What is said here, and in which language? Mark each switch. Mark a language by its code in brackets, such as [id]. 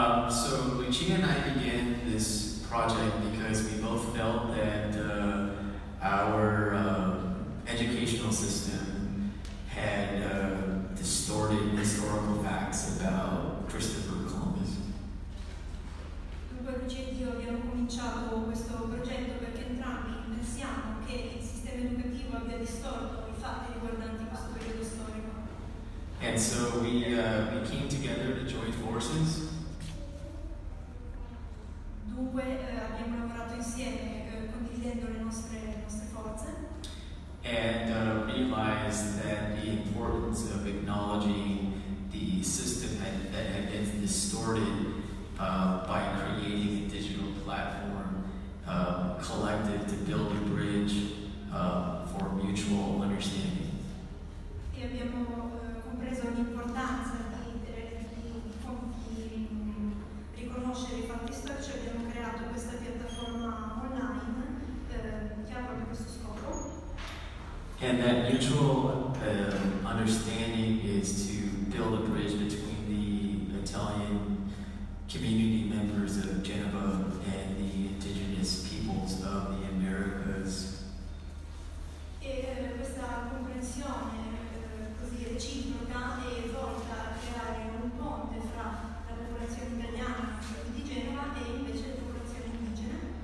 [en] So Lucia and I began this project because we both felt that our educational system had distorted historical facts about Christopher Columbus. [it] Dunque Lucia e io abbiamo cominciato questo progetto perché entrambi pensiamo che il sistema educativo abbia distorto i fatti riguardanti questo periodo storico. [en] And so we came together to join forces. [it] Dunque abbiamo lavorato insieme condividendo le nostre forze. [en] And realized that the importance of acknowledging the system that had been distorted by creating a digital platform collective to build a bridge for mutual understanding. [it] E abbiamo compreso l'importanza di riconoscere i fatti storici e abbiamo creato questa piattaforma online che ha proprio questo scopo. [en] And that mutual understanding is to build a bridge between the Italian community members of Genova and the indigenous peoples of the Americas. [it] E questa comprensione così reciproca è volta a creare un ponte fra la popolazione italiana di Genova e invece la popolazione indigena.